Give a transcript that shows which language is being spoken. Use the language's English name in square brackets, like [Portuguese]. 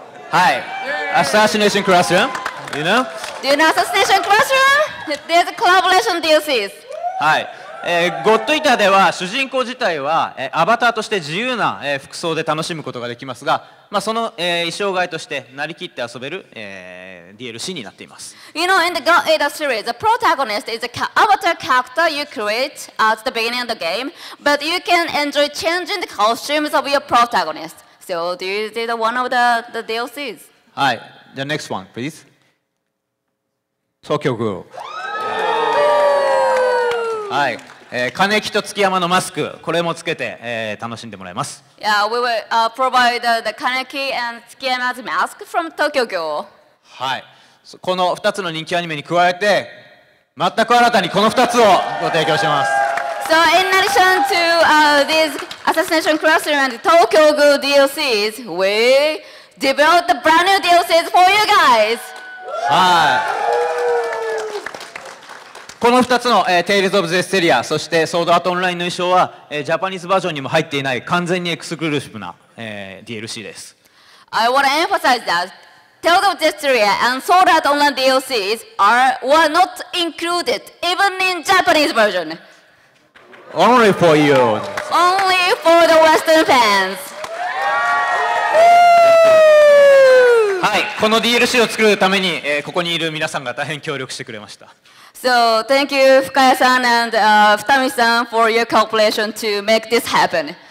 [English] はい、Assassination Classroom, you know? Do you know Assassination Classroom? There's a collaboration DLCs. [Japanese] はい、ゴッドイーターでは主人公自体は、アバターとして自由な、服装で楽しむことができますが、まあ、その、衣装替えとしてなりきって遊べる、DLC になっています。 [English] You know, in the God Eater series, the protagonist is the avatar character you create at the beginning of the game, but you can enjoy changing the costumes of your protagonist. So, do you see the one of the DLCs? はい、the next one, please. Tokyo Ghoul. [Japanese] はい、金木と月山のマスク、これもつけて、楽しんでもらいます。 [English] Yeah, we will, provide the Kaneki and Tsukiyama's mask from Tokyo Ghoul. [Japanese] はい、この2つの人気アニメに加えて、全く新たにこの2つをご提供します。 [English] So in addition to, these Assassination Classroom and Tokyo Ghoul DLCs, we developed the brand new DLCs for you guys! [Japanese] はい。この2つの、Tales of Zestiria そして Sword Art Online の衣装は、ジャパニーズバージョンにも入っていない完全にエクスクルーシブな、DLC です。 [English] I want to emphasize that Tales of Zestiria and Sword Art Online DLCs were not included even in Japanese version. Only for you. Only for the Western fans. [Japanese] はい、この DLC を作るために、ここにいる皆さんが大変協力してくれました。 [English] So, thank you, Fukaya-san and Futami-san for your cooperation to make this happen.